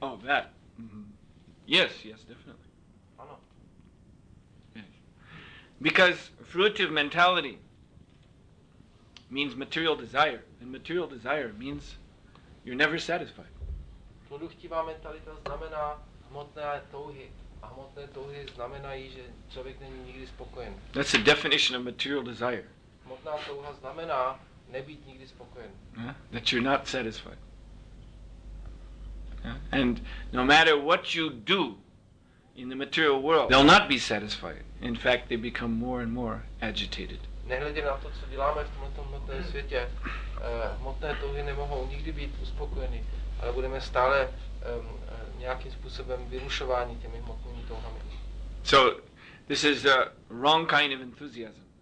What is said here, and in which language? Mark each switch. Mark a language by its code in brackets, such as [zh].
[en] Oh, that. Mm-hmm. Yes, definitely. Oh, no. Yes. Because fruitive mentality means material desire, and material desire means you're never satisfied. [cs] Produktivá mentalita znamená hmotné touhy. A hmotné touhy znamenají, že člověk není nikdy spokojen. [en] That's the definition of material desire. [cs] Hmotná touha znamená nebýt nikdy spokojen. [en] Yeah? That you're not satisfied. Yeah? And no matter what you do in the material world, they'll not be satisfied. In fact, they become more and more agitated. [cs] Nehledě na to, co děláme v tomto hmotném světě, hmotné touhy nemohou nikdy být uspokojeny, ale budeme stále nějakým způsobem vyrušování těmi hmotnými touhami. [en] So, this is a wrong kind of enthusiasm.